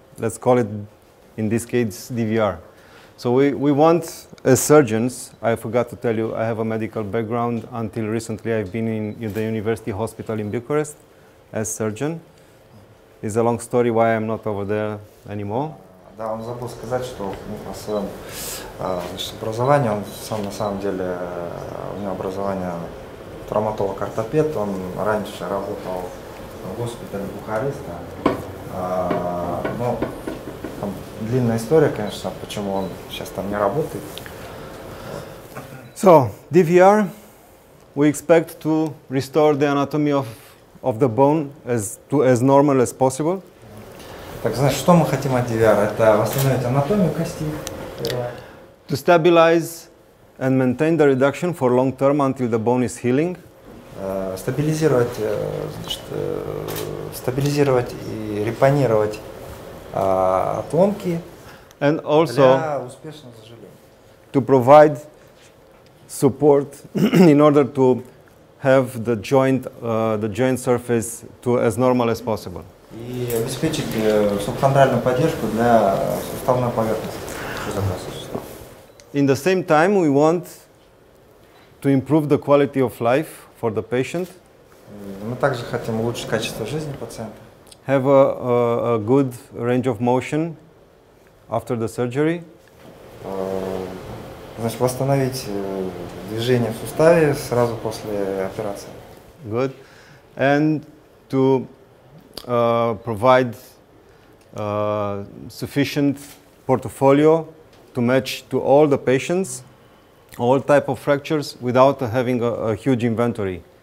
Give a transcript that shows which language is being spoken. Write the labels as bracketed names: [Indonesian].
[English] Let's call it, in this case, DVR. So we want, as surgeons, I forgot to tell you, I have a medical background. Until recently, I've been in the university hospital in Bucharest as surgeon. It's a long story why I'm not over there anymore. [Russian] Да, он забыл сказать, что о своем образовании, он сам на самом деле, у него образование травматолог-ортопед, он раньше работал в госпитале Бухареста. Длинная история, конечно, почему он сейчас там не работает. [English] So, DVR we expect to restore the anatomy of the bone as normal as possible. [Russian] Так, значит, что мы хотим от DVR? Это восстановить анатомию костей. [English] To stabilize and maintain the reduction for long term until the bone is healing. [Russian] Стабилизировать и репонировать отломки. [English] And also [Russian] для успешного заживления. [English] To provide support in order to have the joint surface to as normal as possible. [Russian] И обеспечить субхондральную поддержку для суставной поверхности. [English] In the same time, we want to improve the quality of life for the patient. [Russian] Мы также хотим улучшить качество жизни пациента. [English] Have a good range of motion after the surgery. [Russian] Значит, восстановить движение в суставе сразу после операции. [English] Good. And to provide sufficient portfolio to match to all the patients, all type of fractures, without having a huge inventory.